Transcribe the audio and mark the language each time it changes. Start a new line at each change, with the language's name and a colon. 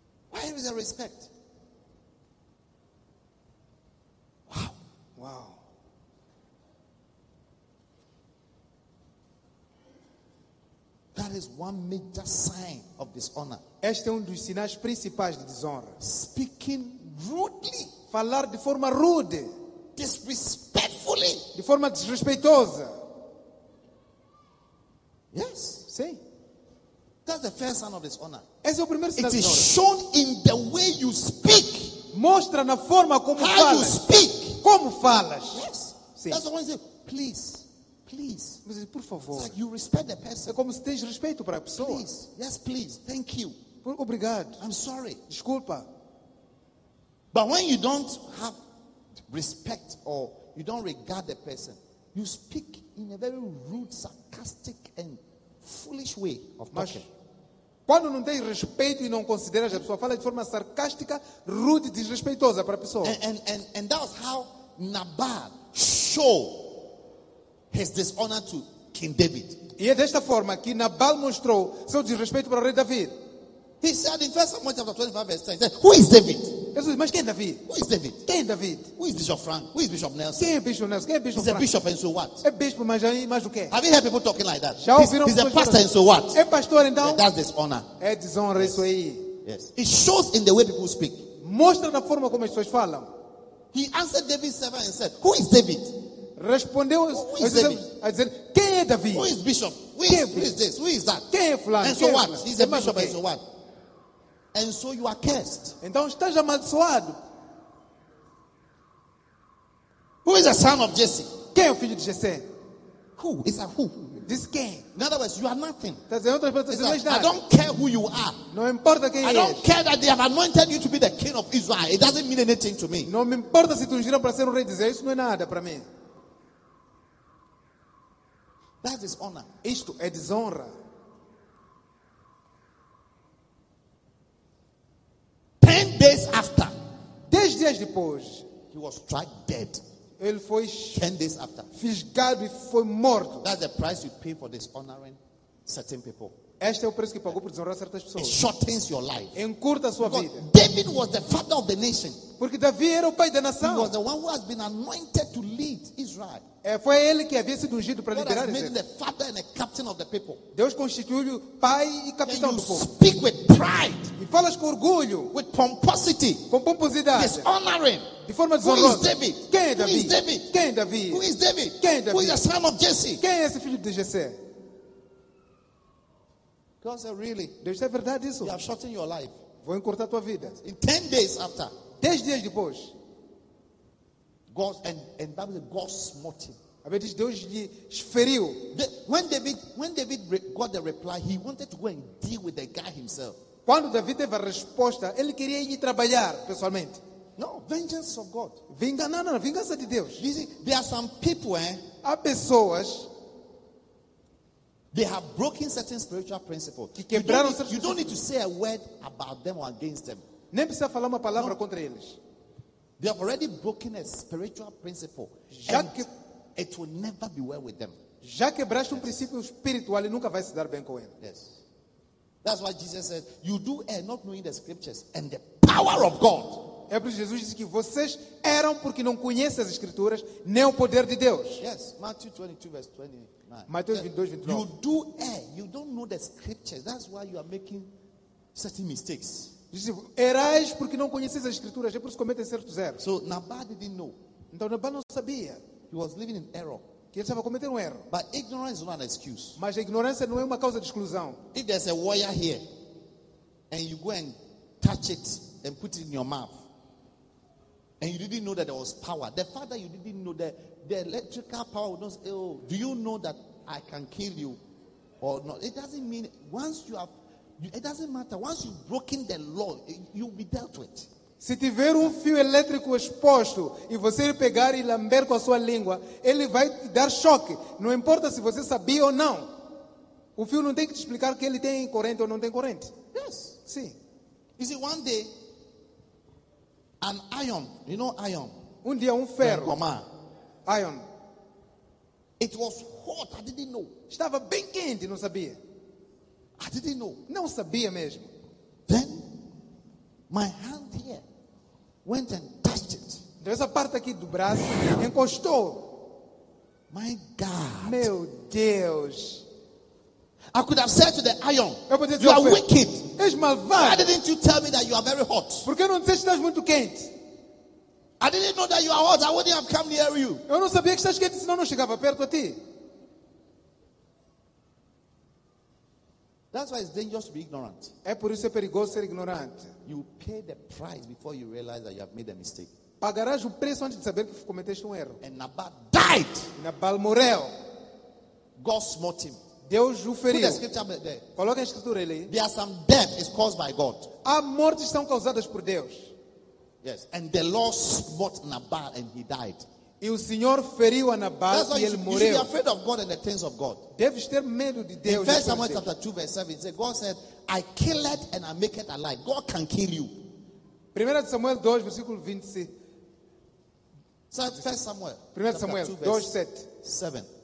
English: Why is there respect? That is one major sign of dishonor.
Portuguese: Este é dos sinais principais de desonra.
English: Speaking rudely,
Portuguese: falar de forma rude,
English: disrespectfully,
Portuguese: de forma desrespeitosa.
English: Yes,
Portuguese: sim.
English: That's the first sign of dishonor.
Portuguese: Esse é o primeiro sinal.
English: It is shown in the way you speak.
Portuguese: Mostra na forma como
English: how
Portuguese: falas.
English: You speak.
Portuguese: Como falas?
English: Yes.
Portuguese: Sim.
English: That's the one you say, please. Please,
Portuguese: por favor.
English: Like you respect the person.
Portuguese: É como se tens respeito para a pessoa.
English: Please. Yes, please. Thank you.
Portuguese: Por, obrigado.
English: I'm sorry.
Portuguese: Desculpa.
English: But when you don't have respect or you don't regard the person, you speak in a very rude, sarcastic and foolish way of talking.
Portuguese: Quando não tens respeito e não consideras a pessoa, fala de forma sarcástica, rude, desrespeitosa para a pessoa.
English: And that's how Nabal showed his dishonor to King David.
Portuguese: E é desta forma que Nabal mostrou seu desrespeito para o rei David.
English: He said in 1 Samuel chapter 25 verse 10, he said, "Who is David?"
Portuguese: Jesus, mas quem é David?
English: Who is David?
Portuguese: Quem é David?
English: Who is Bishop Frank? Who is Bishop Nelson?
Portuguese: Quem é Bishop Nelson? Quem é Bishop
English: he's
Portuguese: Frank?
English: A bishop and so what?
Portuguese: É bispo, mas o quê?
English: Have you heard people talking like that?
Portuguese: Já ouviram
English: he's a pastor and so what?
Portuguese: É pastor então?
English: That's dishonor.
Portuguese: É desonra isso aí.
English: Yes. It shows in the way people speak.
Portuguese: Mostra na forma como as pessoas falam.
English: He answered David's servant and said, "Who is David?"
Portuguese: Respondeu a dizer, quem é David?
English: Who is Bishop? Who is this? Who is that?
Portuguese: Quem é fulano?
English: And so what? He's a bishop and so what? And so you are cursed.
Portuguese: Então estás amaldiçoado.
English: Who is the son of Jesse?
Portuguese: Quem é o filho de Jesse?
English: Who? It's a who? This quem? In other words, you are nothing.
Portuguese: Dizer,
English: I don't care who you are.
Portuguese: Não importa quem
English: I don't care that they have anointed you to be the king of Israel. It doesn't mean anything to me.
Portuguese: Não me importa se tu ungiram para ser o rei de Israel. Isso não é nada para mim.
English: That is honor.
Portuguese: Isto é desonra.
English: Ten days after,
Portuguese: 10 dias depois,
English: he was struck dead.
Portuguese: Ele foi
English: 10 days after,
Portuguese: fisgado e foi morto.
English: That's the price you pay for dishonoring certain people.
Portuguese: Este é o preço que pagou por desonrar certas pessoas.
English: It shortens your life.
Portuguese: Encurta a sua
English: because
Portuguese: vida.
English: David was the father of the nation.
Portuguese: Porque Davi era o pai da nação.
English: He was the one who has been anointed to lead Israel.
Portuguese: É, foi ele que havia sido ungido para liderar Israel.
English: God has made him the father and the captain of the people.
Portuguese: Deus constituiu-lhe pai e capitão do povo.
English: Speak with pride.
Portuguese: E falas com orgulho.
English: With pomposity.
Portuguese: Com pomposidade.
English: Dishonoring.
Portuguese: De forma desonrosa.
English: Who is David?
Portuguese: Quem é Davi?
English: Who is David?
Portuguese: Quem é Davi?
English: Who is David?
Portuguese: Quem é Davi?
English: Who is the son of Jesse?
Portuguese: Quem é esse filho de Jesse?
English: God said, really?
Portuguese: Deus é verdade isso?
English: You have shortened your life.
Portuguese: Vou encurtar tua vida.
English: In 10 days after.
Portuguese: 10 dias depois.
English: God and that was God's motive.
Portuguese: A Bíblia diz Deus lhe feriu.
English: When David got the reply, he wanted to go and deal with the guy himself.
Portuguese: Quando David teve a resposta, ele queria ir trabalhar pessoalmente.
English: No, vengeance of God.
Portuguese: Vingança de Deus.
English: You see, there are some people,
Portuguese: há pessoas.
English: They have broken certain spiritual principles.
Portuguese: Que quebraram certos princípios.
English: You don't need to say a word about them or against them.
Portuguese: Nem precisa falar uma palavra contra eles.
English: They have already broken a spiritual principle.
Portuguese: Já
English: it will never be well with them.
Portuguese: Já quebraste um princípio espiritual e nunca vai se dar bem com ele.
English: Yes. That's why Jesus said, "You do err not knowing the scriptures and the power of God."
Portuguese: É por isso que Jesus disse que vocês eram porque não conhecem as escrituras nem o poder de Deus.
English: Yes, Matthew 22 verse 29.
Portuguese: Mateus 22:29.
English: You do err. You don't know the scriptures. That's why you are making certain mistakes.
Portuguese: Erais porque não conheces as escrituras, é por isso que cometem certos erros.
English: So Nabal didn't know.
Portuguese: Então Nabal não sabia.
English: He was living in error.
Portuguese: Que ele estava cometendo um erro.
English: But ignorance is not an excuse.
Portuguese: Mas a ignorância não é uma causa de exclusão.
English: If there's a wire here and you go and touch it and put it in your mouth and you didn't know that there was power, the fact that you didn't know the electrical power would not say, "Oh, do you know that I can kill you or not?" It doesn't mean once you have. It doesn't matter. Once you've broken the law, you'll be dealt with.
Portuguese: Se tiver fio elétrico exposto e você pegar e lamber com a sua língua, ele vai te dar choque. Não importa se você sabia ou não. O fio não tem que te explicar que ele tem corrente ou não tem corrente.
English: Yes.
Portuguese: Sim.
English: You see, one day, an iron, you know iron?
Portuguese: Dia ferro. Bergoma.
English: Iron. It was hot. I didn't know.
Portuguese: Estava bem quente, não sabia.
English: I didn't know.
Portuguese: Não sabia mesmo.
English: Then, my hand here went and touched it.
Portuguese: Então, essa parte aqui do braço encostou.
English: My God.
Portuguese: Meu Deus.
English: I could have said to the iron, you are wicked. Why didn't you tell me that you are very hot?
Portuguese: Porque não disseste que estás muito quente?
English: I didn't know that you are hot. I wouldn't have come near you.
Portuguese: Eu não sabia que estás quente, senão não chegava perto a ti.
English: That's why it's dangerous to be ignorant.
Portuguese: É por isso é perigoso ser ignorante.
English: You pay the price before you realize that you have made a mistake.
Portuguese: Pagarás o preço antes de saber que cometeste erro.
English: And Nabal died.
Portuguese: Nabal morreu.
English: God smote him.
Portuguese: Deus o feriu.
English: Put the scripture there.
Portuguese: Coloque a escritura ali.
English: There are some death is caused by God.
Portuguese: Há mortes que são causadas por Deus.
English: Yes, and the Lord smote Nabal and he died.
Portuguese: E o Senhor feriu a Nabal e ele morreu.
English: You should be afraid of God and the things of God.
Portuguese: Deves ter medo de Deus.
English: In 1 Samuel chapter 2 verse 7, it says, God said, I kill it and I make it alive. God can kill you.
Portuguese: 1 Samuel 2 versículo 20. 1 Samuel.
English: 1 Samuel 2 verse 7.